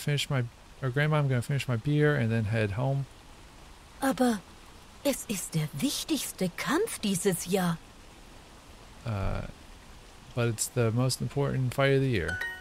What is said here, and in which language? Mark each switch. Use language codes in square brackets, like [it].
[en] I'm gonna finish my beer and then head home. [de] Aber es ist der wichtigste Kampf dieses Jahr. [en] But it's the most important fight of the year.